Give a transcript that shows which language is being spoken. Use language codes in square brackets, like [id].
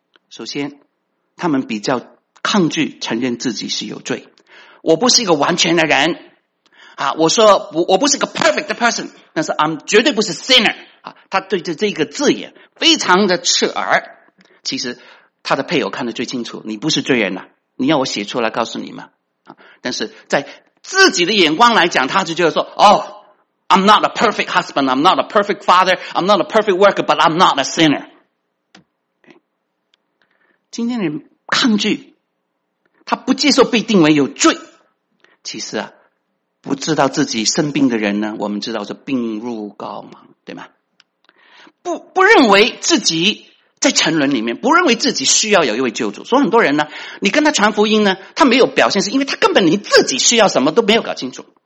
[zh] 首先他们比较抗拒承认自己是有罪。我不是一个完全的人啊，我说我不是个 [en] perfect person， [zh] 但是 I'm 绝对不是 sinner 啊。他对着这个字眼非常的刺耳，其实他的配偶看得最清楚，你不是罪人啊，你要我写出来告诉你吗？但是在自己的眼光来讲，他就觉得说 [en] Oh, I'm not a perfect husband, I'm not a perfect father, I'm not a perfect worker, but I'm not a sinner. [zh] 今天的人抗拒，他不接受被定为有罪。其实啊，不知道自己生病的人呢，我们知道是病入膏肓，对吗？不认为自己在沉沦里面，不认为自己需要有一位救主。所以很多人呢，你跟他传福音呢，他没有表现，是因为他根本你自己需要什么都没有搞清楚。